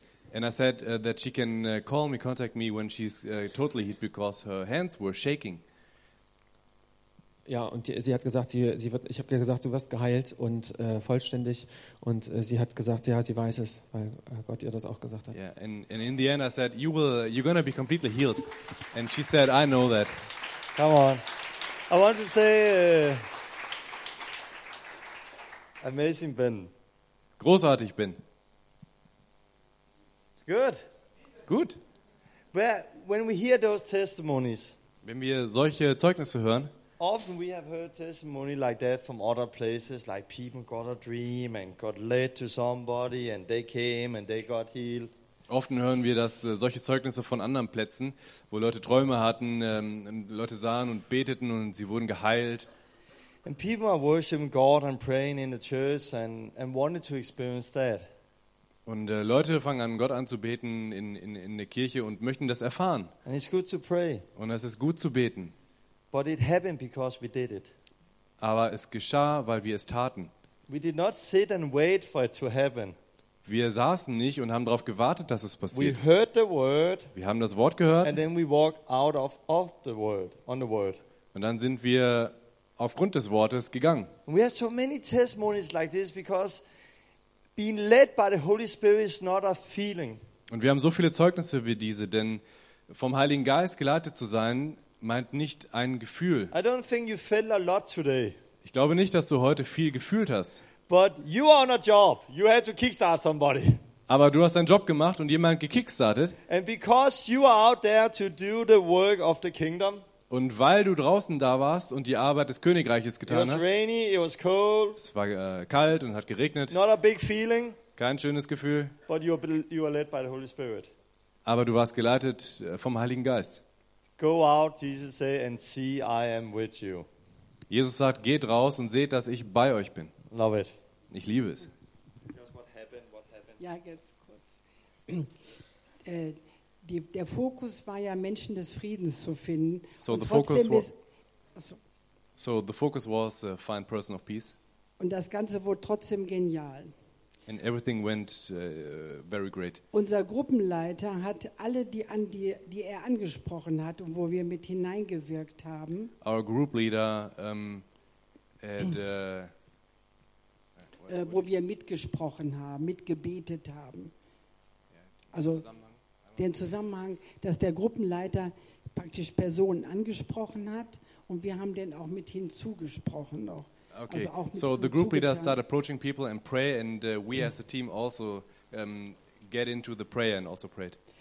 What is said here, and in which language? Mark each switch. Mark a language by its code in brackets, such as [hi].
[en] And I said that she can call me, contact me when she's totally healed because her hands were shaking. [de] Ja, und sie hat gesagt, sie wird, ich habe gesagt, du wirst geheilt und vollständig und sie hat gesagt, ja, sie weiß es, weil Gott ihr das auch gesagt hat. [en] Yeah, and in the end I said you're going to be completely healed. And she said I know that. Come on. I want to say amazing Ben. [de] Großartig Ben. [en] Good. [de] Gut. [en] When we hear those testimonies. [de] Wenn wir solche Zeugnisse hören. [en] Often we have heard testimony like that from other places, like people got a dream and got led to somebody and they came and they got healed. [de] Often hören wir, dass solche Zeugnisse von anderen Plätzen, wo Leute Träume hatten, Leute sahen und beteten und sie wurden geheilt. [en] And people are worshiping God and praying in the church and wanted to experience that. [de] Und Leute fangen an, Gott anzubeten in der Kirche und möchten das erfahren. [en] And it's good to pray. [de] Und es ist gut zu beten. [en] But it happened because we did it. [de] Aber es geschah, weil wir es taten. [en] We did not sit and wait for it to happen. [de] Wir saßen nicht und haben darauf gewartet, dass es passiert. [en] We heard the word. [de] Wir haben das Wort gehört. [en] And then we walked out of the word, on the word. [de] Und dann sind wir aufgrund des Wortes gegangen. [en] And we have so many testimonies like this because being led by the Holy Spirit is not a feeling. [de] Und wir haben so viele Zeugnisse wie diese, denn vom Heiligen Geist geleitet zu sein, meint nicht ein Gefühl. [en] I don't think you felt a lot today. [de] Ich glaube nicht, dass du heute viel gefühlt hast. [en] But you are on a job. You had to kickstart somebody. [de] Aber du hast einen Job gemacht und jemanden gekickstartet. [en] And because you are out there to do the work of the kingdom. [de] Und weil du draußen da warst und die Arbeit des Königreiches getan hast. [en] It was rainy, it was cold. [de] Es war kalt und hat geregnet. [en] Not a big feeling. [de] Kein schönes Gefühl. [en] But you are led by the Holy Spirit. [de] Aber du warst geleitet vom Heiligen Geist. [en] Go out, Jesus said, and see I am with you. [de] Jesus sagt, geht raus und seht, dass ich bei euch bin. [en] Love it. [de] Ich liebe es. [en] What happened? [de] Ja, ganz kurz. Der Fokus war ja, Menschen des Friedens zu finden. [en] So the focus was find person of peace. [de] Und das Ganze wurde trotzdem genial. [en] And everything went very great. [de] Unser Gruppenleiter hat alle die er angesprochen hat und wo wir mit hineingewirkt haben. [en] Our group leader had [de] wo wir mitgesprochen haben, mitgebetet haben. Also den Zusammenhang, dass der Gruppenleiter praktisch Personen angesprochen hat und wir haben den auch mit hinzugesprochen noch. [en] Okay, also so the group leader start approaching people and pray, and we as a team also get into the prayer and also prayed.